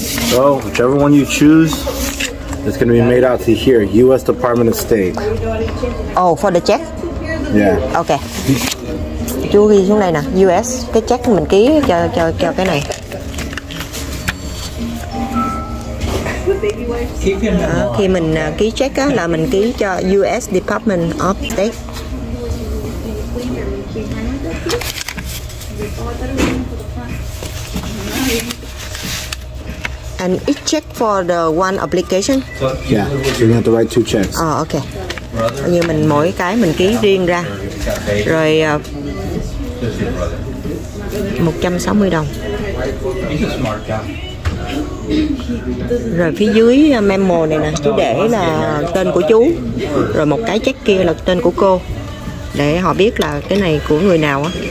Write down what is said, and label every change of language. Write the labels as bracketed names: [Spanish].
[English] So, whichever one you choose, it's going to be made out to here, US Department of State. Oh, for the check? Yeah. Okay. [Vietnamese] Chú ghi xuống đây nè, US, cái check mình ký cho cái này. Khi mình ký check á, là mình ký cho US Department of State. [English] And it check for the one application? Yeah, you have to write 2 checks. Oh, okay. [Vietnamese] Như mình mỗi cái mình ký riêng ra. Rồi 160 đồng. Rồi phía dưới memo này nè, chú để là tên của chú. Rồi một cái check kia là tên của cô. Để họ biết là cái này của người nào á.